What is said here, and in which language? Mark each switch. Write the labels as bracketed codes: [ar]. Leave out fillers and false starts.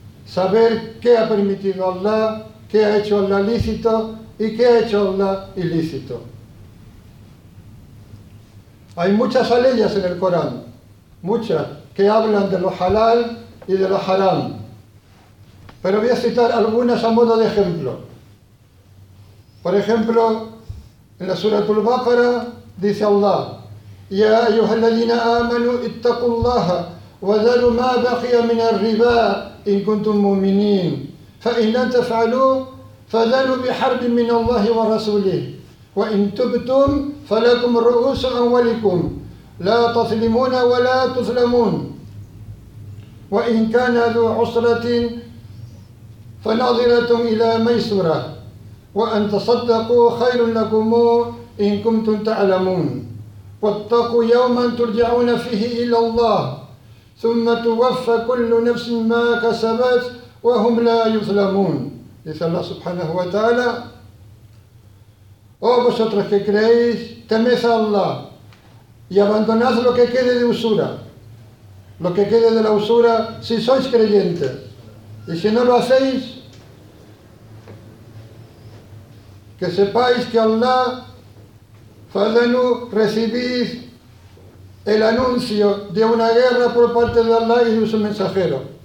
[es] Saber qué ha permitido Allah, qué ha hecho Allah lícito y qué ha hecho Allah ilícito. Hay muchas aleyas en el Corán, muchas, que hablan de lo halal y de lo haram. Pero voy a citar algunas a modo de ejemplo. Por ejemplo, en la Suratul Baqara dice Allah: [ar] يا أيها الذين آمنوا اتقوا الله وذروا ما بقي من الربا إن كنتم مؤمنين فإن لم تفعلوا فذروا بحرب من الله ورسوله وإن تبتم فلكم رؤوس أموالكم لا تظلمون ولا تظلمون وإن كان ذو عسرة فناظرة إلى ميسرة وأن تصدقوا خير لكم إن كنتم تعلمون واتقوا يوما ترجعون فيه إلى الله ثم توفى كل نفس ما كسبت وهم لا يظلمون. [es] Dice Allah subhanahu wa ta'ala: oh vosotros que creéis, temed a Allah y abandonad lo que quede de usura, lo que quede de la usura si sois creyentes, y si no lo hacéis, que sepáis que Allah Fadanu, recibís el anuncio de una guerra por parte de Allah y de su mensajero.